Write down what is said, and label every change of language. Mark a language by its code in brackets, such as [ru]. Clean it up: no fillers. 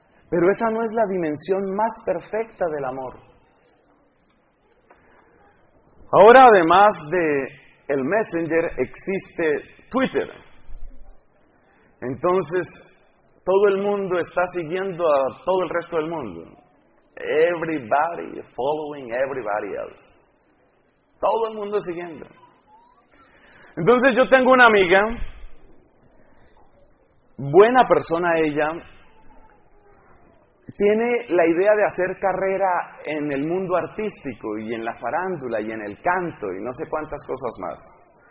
[es] Pero esa no es la dimensión más perfecta del amor. Ahora, además de el Messenger, existe Twitter. Entonces, todo el mundo está siguiendo a todo el resto del mundo. [en] Everybody following everybody else. [es] Todo el mundo siguiendo. Entonces, yo tengo una amiga. buena persona ella, tiene la idea de hacer carrera en el mundo artístico y en la farándula y en el canto y no sé cuántas cosas más.